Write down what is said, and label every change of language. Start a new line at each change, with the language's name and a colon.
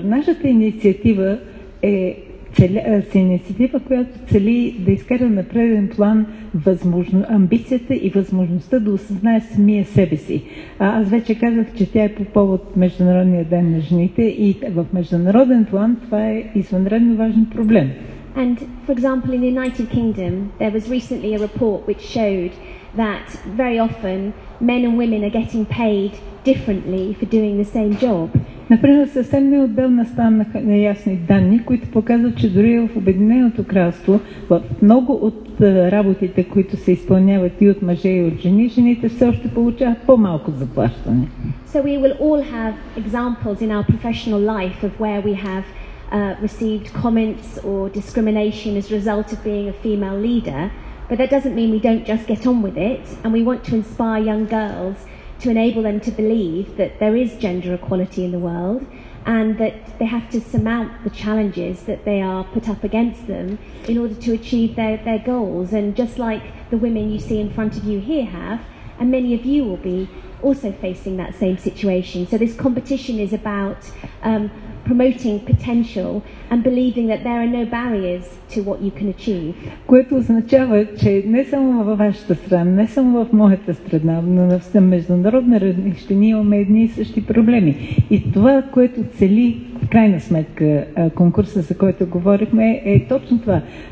Bulgarian: Нашата инициатива е инициатива, която цели да изкара на преден план амбицията и възможността да осъзнае самия себе си. Аз вече казах, че тя е по повод Международния ден на жените и в международен план това е извънредно важен проблем.
English: And, for example, in the United Kingdom, there was recently a report which showed that very often men and women are getting paid differently for doing the same job.
Bulgarian: Например, съвсем неотделно станаха неясни данни, които показват, че дори в Обединеното кралство, в много от работите, които се изпълняват и от мъже и от жени, жените все още получават по-малко заплащане.
English: So we will all have examples in our professional life of where we have received comments or discrimination as a result of being a female leader, but that doesn't mean we don't just get on with it, and we want to inspire young girls to enable them to believe that there is gender equality in the world and that they have to surmount the challenges that they are put up against them in order to achieve their goals. And just like the women you see in front of you here have, and many of you will be also facing that same situation. So this competition is about promoting potential and believing that there are no barriers to what you can achieve.
Bulgarian: Което означава, че не само във вашата страна, не само в моята страна, но на все международна равнище ние имаме едни и същи проблеми. И това, което цели в крайна сметка конкурса, за който говорихме, е точно това.